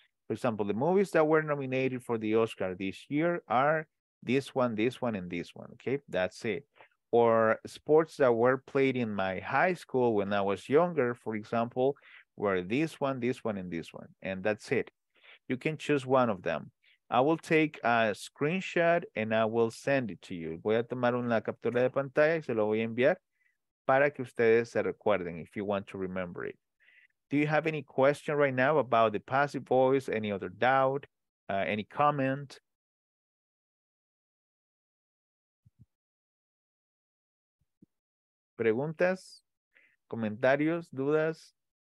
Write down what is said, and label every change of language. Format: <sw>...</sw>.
<en>For example, the movies that were nominated for the Oscar this year are this one, and this one, okay? That's it. Or sports that were played in my high school when I was younger, for example, were this one, and this one. And that's it. You can choose one of them. I will take a screenshot, and I will send it to you.</en> <es>Voy a tomar una captura de pantalla y se lo voy a enviar. Para que ustedes se recuerden,</es> <en>if you want to remember it. Do you have any question right now about the passive voice? Any other doubt? Any comment?</en> <es>¿Preguntas? ¿Comentarios? ¿Dudas?</es>